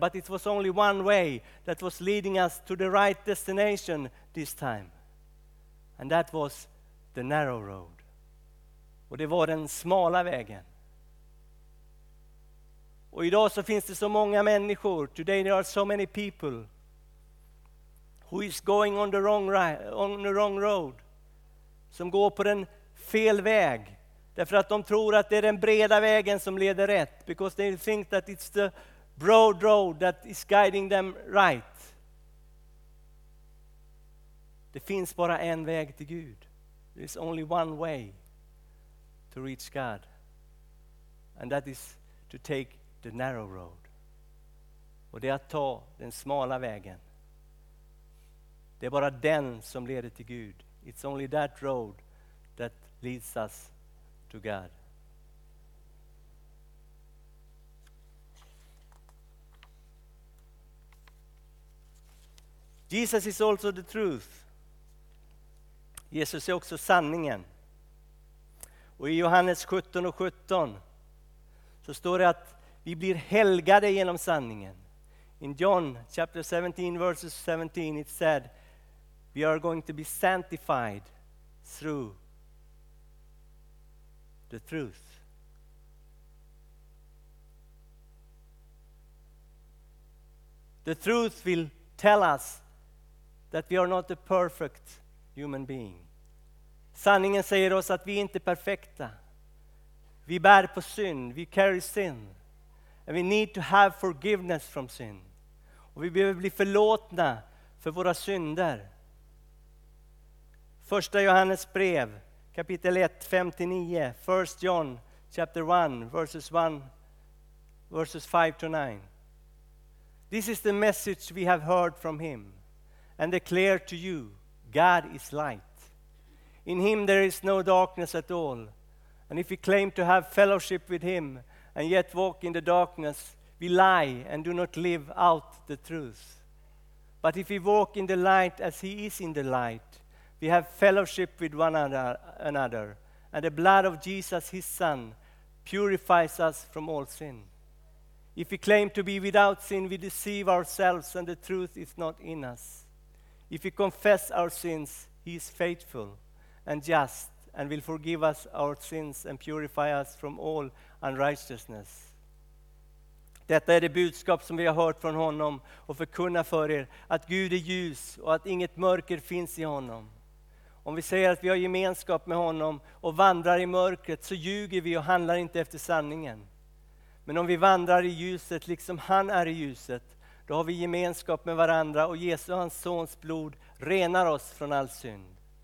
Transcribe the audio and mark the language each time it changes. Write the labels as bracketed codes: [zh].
[en] But it was only one way that was leading us to the right destination this time. And that was the narrow road. [sv] Och det var den smala vägen. Och idag så finns det så många människor. [en] Today there are so many people who is going on the wrong road. [sv] Som går på den fel väg. Därför att de tror att det är den breda vägen som leder rätt. [en] Because they think that it's the broad road that is guiding them right. [sv] Det finns bara en väg till Gud. [en] There's only one way to reach God. And that is to take the narrow road. [sv] Och det är att ta den smala vägen. Det är bara den som leder till Gud. [en] It's only that road that leads us to God. Jesus is also the truth. [sv] Jesus är också sanningen. Och i Johannes 17:17 så står det att vi blir helgade genom sanningen. [en] In John chapter 17, verses 17, it said, we are going to be sanctified through the truth. The truth will tell us that we are not a perfect human being. [sv] Sanningen säger oss att vi inte är perfekta. Vi bär på synd, vi [en] carry sin. And we need to have forgiveness from sin. [sv] Och vi behöver bli förlåtna för våra synder. Första Johannes brev, kapitel 1, 5-9. [en] First John, chapter 1, verses 5-9. This is the message we have heard from him and declare to you, God is light. In him there is no darkness at all. And if we claim to have fellowship with him and yet walk in the darkness, we lie and do not live out the truth. But if we walk in the light as he is in the light, we have fellowship with one another. And the blood of Jesus, his son, purifies us from all sin. If we claim to be without sin, we deceive ourselves and the truth is not in us. If we confess our sins, he is faithful and just and will forgive us our sins and purify us from all unrighteousness. [sv] Detta är det budskap som vi har hört från honom och förkunna för er, att Gud är ljus och att inget mörker finns i honom. Om vi säger att vi har gemenskap med honom och vandrar i mörkret, så ljuger vi och handlar inte efter sanningen. Men om vi vandrar i ljuset liksom han är i ljuset, då har vi gemenskap med varandra och Jesu och hans sons blod renar oss från all synd.